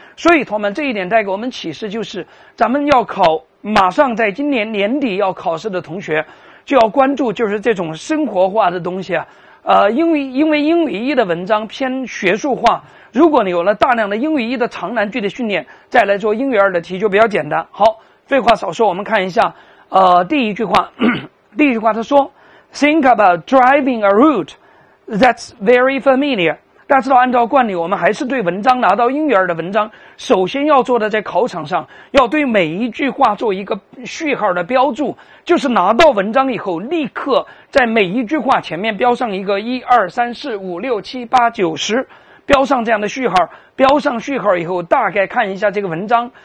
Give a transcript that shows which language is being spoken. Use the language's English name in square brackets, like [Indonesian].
[Chinese] 所以同学们，这一点带给我们启示就是，咱们要考，马上在今年年底要考试的同学就要关注就是这种生活化的东西啊。因为英语一的文章偏学术化，如果你有了大量的英语一的长难句的训练，再来做英语二的题就比较简单。好，废话少说，我们看一下第一句话。第一句话他说 [English] Think about driving a route that's very familiar。 [Chinese] 大家知道按照惯例，我们还是对文章拿到英语二的文章，首先要做的在考场上要对每一句话做一个序号的标注，就是拿到文章以后立刻在每一句话前面标上一个1234567890，标上这样的序号，标上序号以后大概看一下这个文章。